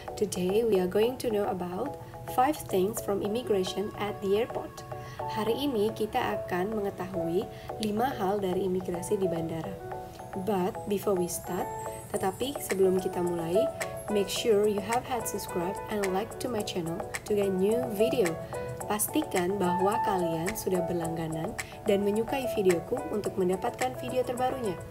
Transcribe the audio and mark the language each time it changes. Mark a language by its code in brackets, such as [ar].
[en] Today we are going to know about 5 things from immigration at the airport. [id] Hari ini kita akan mengetahui 5 hal dari imigrasi di bandara. [en] But before we start, [id] tetapi sebelum kita mulai, [en] make sure you have had subscribe and like to my channel to get new video. [id] Pastikan bahwa kalian sudah berlangganan dan menyukai videoku untuk mendapatkan video terbarunya.